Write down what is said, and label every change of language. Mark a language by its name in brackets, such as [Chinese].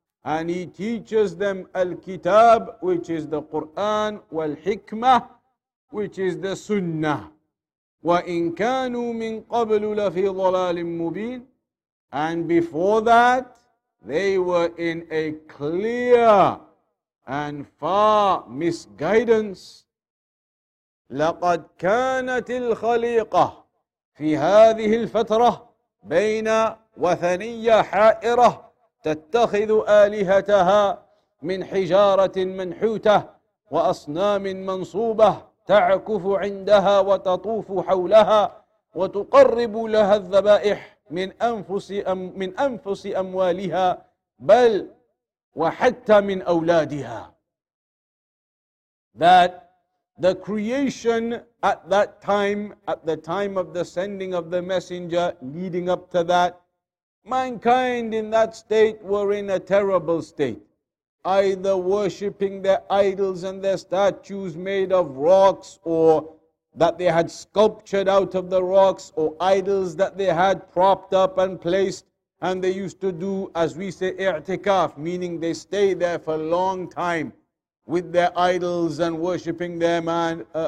[English] And he teaches them al-kitab, which is the Qur'an, وَالْحِكْمَةِ, which is the sunnah. [Arabic] وَإِنْ كَانُوا مِنْ قَبْلُ لَفِي ضَلَالٍ مُبِينٍ. [English] And before that, they were in a clear and far misguidance. [Arabic] لَقَدْ كَانَتِ الْخَلِيقَةِ فِي هَذِهِ الْفَتْرَةِ بَيْنَ وَثَنِيَّ حَائِرَةِ تَتَّخِذُ آلِهَتَهَا مِنْ حِجَارَةٍ مَنْحُوتَةٍ وَأَصْنَامٍ مَنْصُوبَةٍ تعكف عندها وتطوف حولها وتقرب لها الذبائح من أنفس أموالها بل وحتى من أولادها. [English] That the creation at that time, at the time of the sending of the messenger leading up to that, mankind in that state were in a terrible state. either worshipping their idols and their statues made of rocks, or that they had sculptured out of the rocks, or idols that they had propped up and placed, and they used to do, as we say, i'tikaf, meaning they stay there for a long time with their idols and worshipping them and